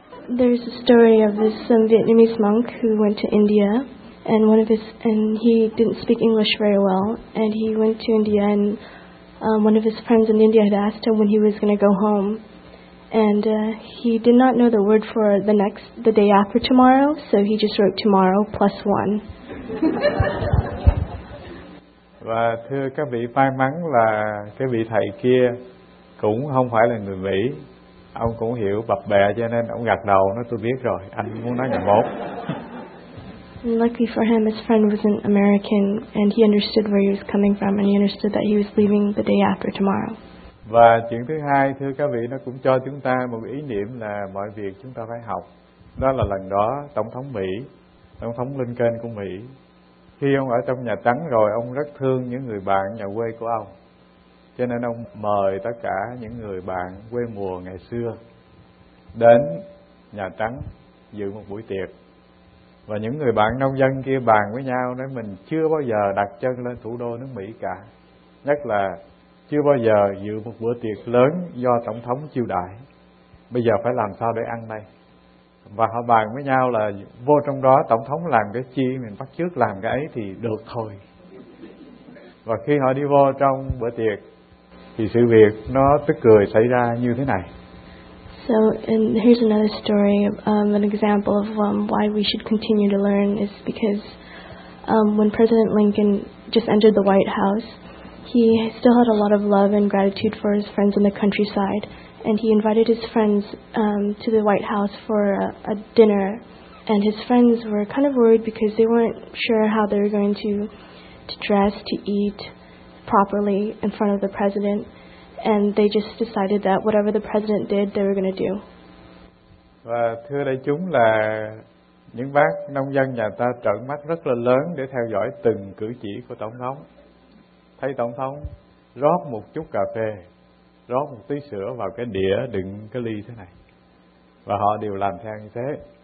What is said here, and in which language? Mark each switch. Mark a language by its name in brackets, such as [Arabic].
[English] There's a story of this Vietnamese monk who went to India, and one of his and he didn't speak English very well, and he went to India, and one of his friends in India had asked him when he was going to go home, and he did not know the word for the next the day after tomorrow, so he just wrote tomorrow plus one. [Vietnamese] Và thưa các vị, may mắn là cái vị thầy kia cũng không phải là người Mỹ. Ông cũng hiểu bập bẹ cho nên ông gật đầu nói tôi biết rồi, anh muốn nói nhà mốt. Luckily for him, his friend was an American and he understood where he was coming from and he understood that he was leaving the day after tomorrow. Và chuyện thứ hai, thưa các vị, nó cũng cho chúng ta một ý niệm là mọi việc chúng ta phải học. Đó là lần đó Tổng thống Mỹ, Tổng thống Lincoln của Mỹ, khi ông ở trong Nhà Trắng rồi, ông rất thương những người bạn nhà quê của ông. Cho nên ông mời tất cả những người bạn quê mùa ngày xưa đến Nhà Trắng dự một buổi tiệc. Và những người bạn nông dân kia bàn với nhau nói mình chưa bao giờ đặt chân lên thủ đô nước Mỹ cả. Nhất là chưa bao giờ dự một bữa tiệc lớn do Tổng thống chiêu đãi. Bây giờ phải làm sao để ăn đây? Và họ bàn với nhau là vô trong đó Tổng thống làm cái chi mình bắt chước làm cái ấy thì được thôi. Và khi họ đi vô trong bữa tiệc, thì sự việc nó tức cười xảy ra như thế này. [English] So, and here's another story, an example of why we should continue to learn is because when President Lincoln just entered the White House, he still had a lot of love and gratitude for his friends in the countryside, and he invited his friends to the White House for a dinner, and his friends were kind of worried because they weren't sure how they were going to dress, to eat properly in front of the president, and they just decided that whatever the president did, they were going to do. [Vietnamese] Và thưa đại chúng là những bác nông dân nhà ta trợn mắt rất là lớn để theo dõi từng cử chỉ của tổng thống. Thấy tổng thống rót một chút cà phê, rót một tí sữa vào cái đĩa đựng cái ly thế này, và họ đều làm theo như thế.